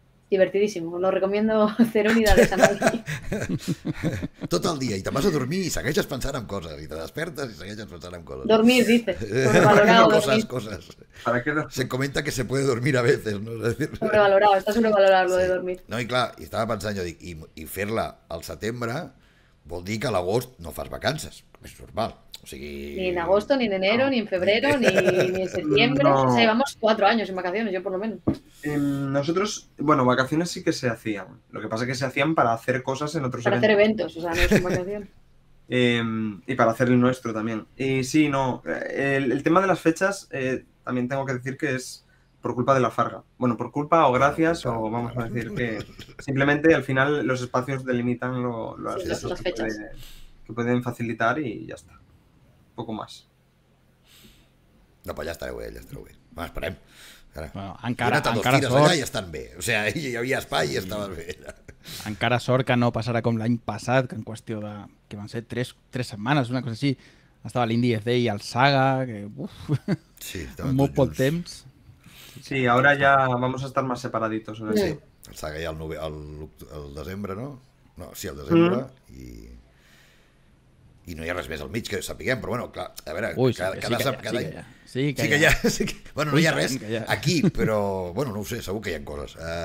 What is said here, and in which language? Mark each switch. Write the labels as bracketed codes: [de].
[es] Divertidísimo, lo recomiendo 0 unidades a nadie. [ca] Tot el dia, i te'n vas a dormir i segueixes pensant en coses, i te despertes i segueixes pensant en coses. [es] Dormir, dice. Sobrevalorado. [ca] Coses. [es] Se comenta que se puede dormir a veces. ¿No? Sobrevalorado, estás sobrevalorado lo de dormir. [ca] No, i clar, estava pensant, jo dic, i fer-la al setembre vol dir que a l'agost no fas vacances, és normal. O sigui... [es] Ni en agosto, ni en enero, ni en febrero, ni en septiembre. No. O sea, llevamos 4 años en vacaciones, yo por lo menos. Nosotros, bueno, vacaciones sí que se hacían. Lo que pasa es que se hacían para hacer cosas en otros eventos. Para hacer eventos, o sea, no es una vacación. Y para hacer el nuestro también. Y sí, no, el tema de las fechas también tengo que decir que es por culpa de la Farga. Bueno, por culpa o gracias, o vamos a decir que simplemente al final los espacios delimitan las fechas que pueden facilitar y ya está. Poco más. [ca] No, [es] pues ya estaré [ca] bé, ya estaré bé. Bueno, esperem. Ara. Bueno, encara, Jonathan, encara sort. I estan bé. O sea, hi havia espai i estaves bé. Encara sort que no passarà com l'any passat, que en qüestió de... que van ser 3 setmanes, una cosa així. Estava l'Indie Dev Day i el Saga, que... Uf, sí, molt poc temps. [es] Sí, [ca] ara ja [es] vamos a estar más separaditos. Sí. [ca] Sí, el Saga ja el desembre, no? No, sí, el desembre. Mm. I no hi ha res més al mig que sapiguem, però bueno, clar, a veure, ui, cada any... Sí que hi ha. Bueno, no hi ha res aquí, però bueno, no ho sé, segur que hi ha coses.